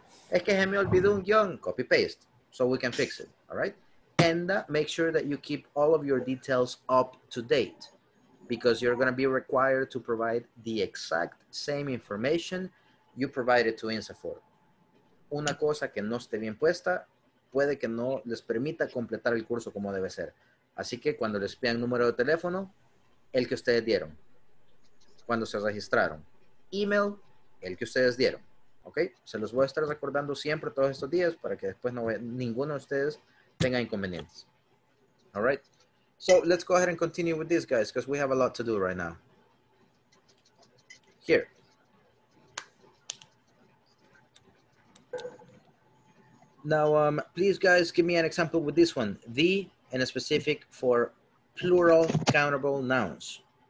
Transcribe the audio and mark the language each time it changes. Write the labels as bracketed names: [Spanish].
[Spanish] Es que se me olvidó un guión. [English] Copy paste, so we can fix it. All right. And make sure that you keep all of your details up to date, because you're going to be required to provide the exact same information you provided to INSAFOR. [Spanish] Una cosa que no esté bien puesta puede que no les permita completar el curso como debe ser. Así que cuando les pidan número de teléfono, el que ustedes dieron. Cuando se registraron. Email, el que ustedes dieron. ¿Ok? Se los voy a estar recordando siempre todos estos días para que después no vean, ninguno de ustedes tenga inconvenientes. [English] All right. So let's go ahead and continue with this, guys, because we have a lot to do right now. Here. Now, please, guys, give me an example with this one. The and a specific for plural countable nouns.